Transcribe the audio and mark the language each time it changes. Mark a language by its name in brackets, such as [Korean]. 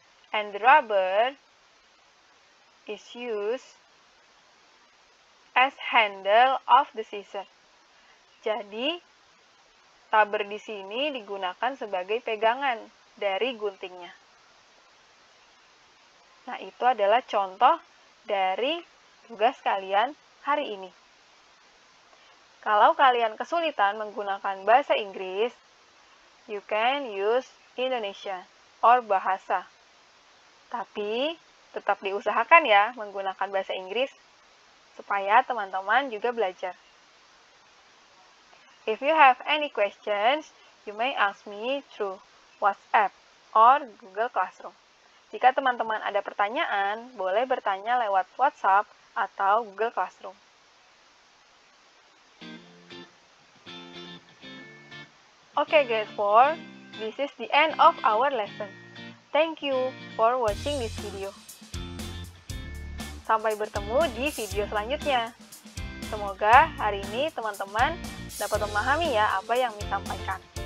[English] And rubber is used as handle of the scissor. [Indonesian] Jadi, rubber di sini digunakan sebagai pegangan dari guntingnya. Nah, itu adalah contoh dari tugas kalian hari ini. Kalau kalian kesulitan menggunakan bahasa Inggris, [English] you can use Indonesia or bahasa. [Indonesian] Tapi, tetap diusahakan ya menggunakan bahasa Inggris supaya teman-teman juga belajar. [English] If you have any questions, you may ask me through WhatsApp or Google Classroom. [Indonesian] Jika teman-teman ada pertanyaan, boleh bertanya lewat WhatsApp atau Google Classroom. [English] Okay, grade 4, this is the end of our lesson. Thank you for watching this video. [Indonesian] Sampai bertemu di video selanjutnya. Semoga hari ini teman-teman dapat memahami ya apa yang disampaikan.